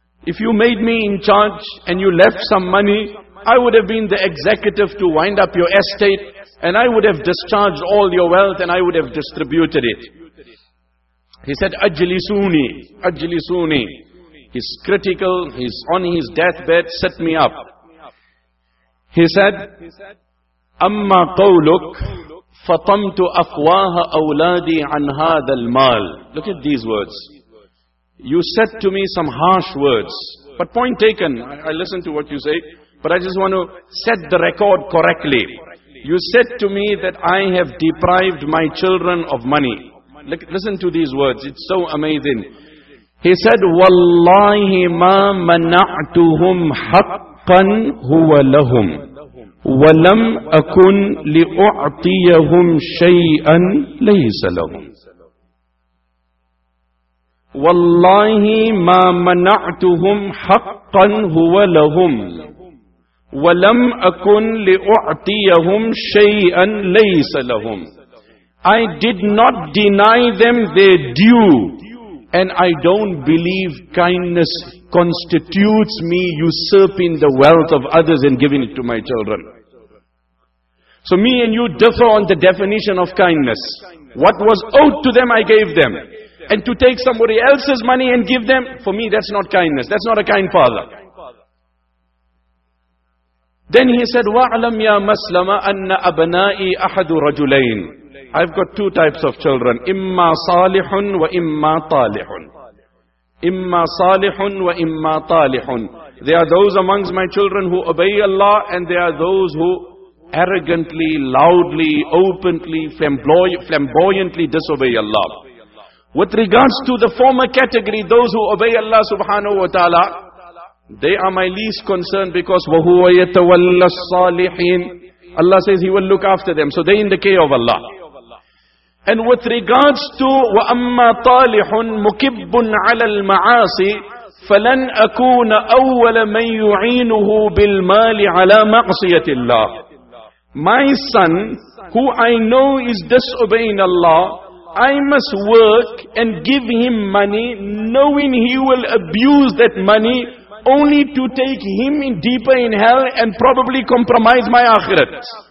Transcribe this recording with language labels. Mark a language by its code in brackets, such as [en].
[en] If you made me in charge and you left some money, I would have been the executive to wind up your estate, and I would have discharged all your wealth and I would have distributed it. He said, [ar] أَجْلِسُونِي أَجْلِسُونِي. [en] He's critical, he's on his deathbed, set me up. He said, [ar] أَمَّا قَوْلُكْ فَطَمْتُ أَفْوَاهَ أَوْلَادِي عَنْ هَذَا الْمَالِ. [en] Look at these words. You said to me some harsh words. But point taken, I listen to what you say. But I just want to set the record correctly. You said to me that I have deprived my children of money. Look, listen to these words, it's so amazing. He said, [ar] وَاللَّهِ مَا مَنَعْتُهُمْ حَقًّا هُوَ لَهُمْ وَلَمْ أَكُنْ لِأُعْطِيَهُمْ شَيْئًا لَيْسَ لَهُمْ. وَاللَّهِ مَا مَنَعْتُهُمْ حَقًّا هُوَ لَهُمْ وَلَمْ أَكُنْ لِأُعْطِيَهُمْ شَيْئًا لَيْسَ لَهُمْ. [en] I did not deny them their due, and I don't believe kindness constitutes me usurping the wealth of others and giving it to my children. So me and you differ on the definition of kindness. What was owed to them, I gave them. And to take somebody else's money and give them, for me that's not kindness. That's not a kind father. Then he said, [ar] وَعْلَمْ يَا مَسْلَمَ أَنَّ أَبْنَائِي أَحَدُ رَجُلَيْنِ. [en] I've got two types of children. [ar] إِمَّا صَالِحٌ وَإِمَّا طَالِحٌ. إِمَّا صَالِحٌ وَإِمَّا طَالِحٌ. [en] There are those amongst my children who obey Allah, and there are those who arrogantly, loudly, openly, flamboyantly disobey Allah. With regards to the former category, those who obey Allah subhanahu wa ta'ala, they are my least concern, because [ar] وَهُوَ يَتَوَلَّ الصَّالِحِينَ. [en] Allah says He will look after them. So they in the care of Allah. And with regards to [ar] وَأَمَّا طَالِحٌ مُكِبٌ عَلَى الْمَعَاصِ فَلَنْ أَكُونَ أَوَّلَ مَنْ يُعِينُهُ بِالْمَالِ عَلَى مَعْصِيَةِ اللَّهِ. [en] My son, who I know is disobeying Allah, I must work and give him money, knowing he will abuse that money only to take him in deeper in hell and probably compromise my akhirat.